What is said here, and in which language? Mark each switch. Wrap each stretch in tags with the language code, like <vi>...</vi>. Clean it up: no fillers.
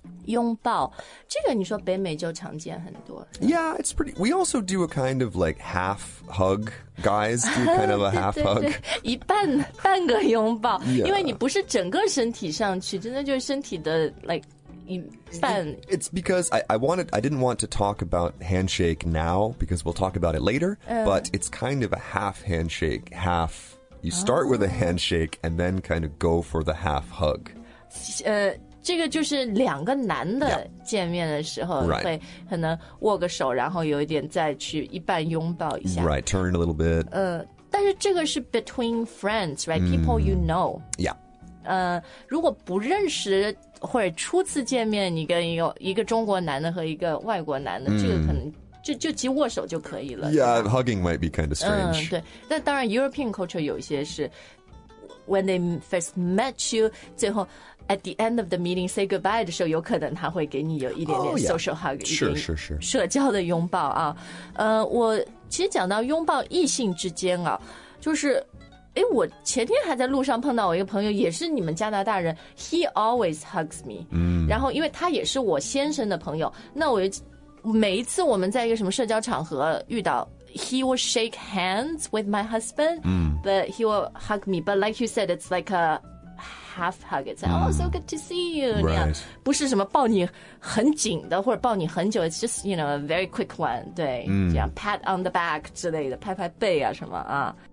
<zh>拥抱，这个你说北美就常见很多</zh> <en>yeah it's pretty we also do a kind of like half hug. Guys do kind of a half hug.</en> <zh>对对对一半半个拥抱、yeah. 因为你不是整个身体上去真的就是身体的 like, 一半</zh> <en>It's because I didn't want to talk about handshake now because we'll talk about it later,、but it's kind of a half handshake, half, you start、with a handshake and then kind of go for the half hug.</en> <zh>这个就是两个男的见面的时候、</zh> <en>yeah.</en> <zh>会可能握个手然后有一点再去一半拥抱一下</zh> <en>Right, turn a little bit、</en> <zh>但是这个是</zh> <en>between friends, right,、people you know Yeah、</en> <zh>如果不认识或者初次见面你跟一个中国男的和一个外国男的、这个可能就其实握手就可以了</zh> <en>Yeah, hugging might be kind of strange、</en> <zh>对，但当然 European culture 有一些是</zh> <en>When they first met you</en> <zh>最后</zh> <en>At the end of the meeting, say goodbye</en> <zh>的时候，有可能他会给你有一点点</zh> <en>social hug，、</en> <zh>一点社交的拥抱啊。我其实讲到拥抱异性之间啊，就是，哎，我前天还在路上碰到我一个朋友，也是你们加拿大人 ，</zh> <en>He always hugs me。</en> <zh>然后因为他也是我先生的朋友，那我每一次我们在一个什么社交场合遇到。</zh> <en>He will shake hands with my husband,、but he will hug me. But like you said, it's like a half hug. It's like,、oh, so good to see you. Right.</en> <zh>不是什么抱你很紧的或者抱你很久</zh> <en>It's just, you know, a very quick one.</en> <zh>对、这样</zh> <en>pat on the back</en> <zh>之类的拍拍背啊什么啊。</zh>